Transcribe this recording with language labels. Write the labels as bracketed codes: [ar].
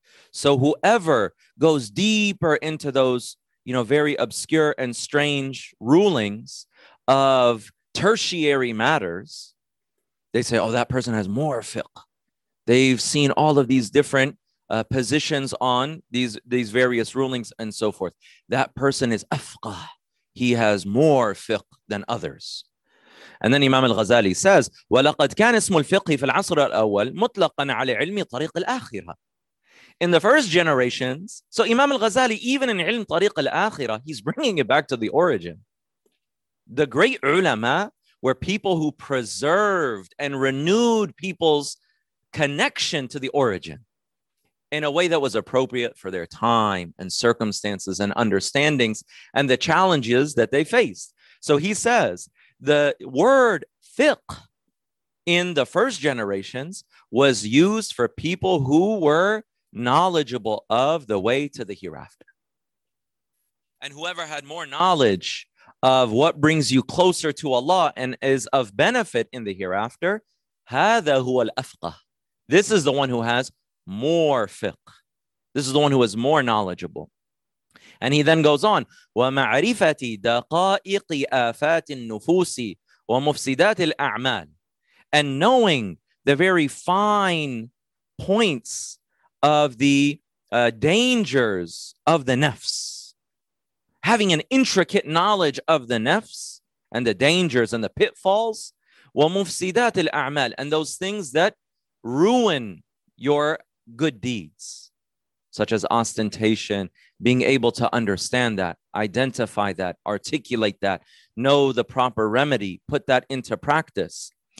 [en] So whoever goes deeper into those, you know, very obscure and strange rulings of tertiary matters, they say, oh, that person has more fiqh. They've seen all of these different positions on these various rulings and so forth. That person is afqah. He has more fiqh than others. And then Imam al-Ghazali says, [ar] وَلَقَدْ كَانَ اسْمُ الْفِقْهِ فِي الْعَصْرَ الْأَوَّلِ مُطْلَقًا عَلَى عِلْمِ طَرِيقِ الْآخِرَةِ. [en] In the first generations, so Imam al-Ghazali, even in ilm tariq al-akhirah, he's bringing it back to the origin. The great ulama were people who preserved and renewed people's connection to the origin in a way that was appropriate for their time and circumstances and understandings and the challenges that they faced. So he says, the word fiqh in the first generations was used for people who were knowledgeable of the way to the hereafter. And whoever had more knowledge of what brings you closer to Allah and is of benefit in the hereafter, [ar] هذا هو الأفقه. [en] This is the one who has more fiqh. This is the one who is more knowledgeable. And he then goes on, [ar] وَمَعْرِفَتِ دَقَائِقِ آفَاتِ النُّفُوسِ وَمُفْسِدَاتِ الْأَعْمَالِ. [en] And knowing the very fine points of the dangers of the nafs, having an intricate knowledge of the nafs and the dangers and the pitfalls, [ar] ومفسدات الأعمال, [en] and those things that ruin your good deeds, such as ostentation, being able to understand that, identify that, articulate that, know the proper remedy, put that into practice.